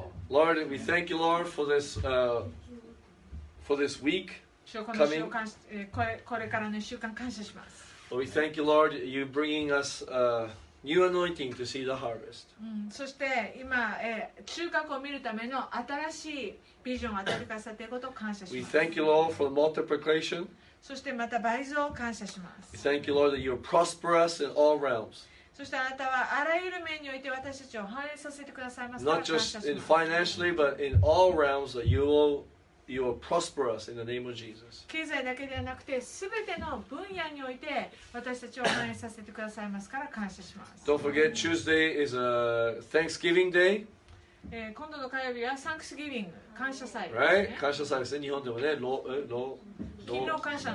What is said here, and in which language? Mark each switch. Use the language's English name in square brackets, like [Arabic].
[English] Lord, we thank you, Lord, for this week coming. [Japanese] これからの週間感謝します。 [English] We thank you, Lord, you bringing us. New anointing to see the harvest. [Japanese] そして今、収穫を見るための新しいビジョンを与えてくださっていることを感謝します。 [English] We thank you, Lord, for multiplication. [Japanese] そしてまた倍増を感謝します。 [English] We thank you, Lord, that you prosper us in all realms. [Japanese] そしてあなたはあらゆる面において私たちを繁栄させてくださいます。 [English] Not just in financially, but in all realms that you will. You will prosper us in the name of Jesus. [Japanese] 経済だけではなくて、すべての分野において私たちを反映させてくださいますから感謝します。 [English] Don't forget, Tuesday is a Thanksgiving day. [Japanese] 今度の火曜日は Thanksgiving 感謝祭、ね。 [English] Right? [Japanese] 感謝祭ですね。日本でもね、勤労感謝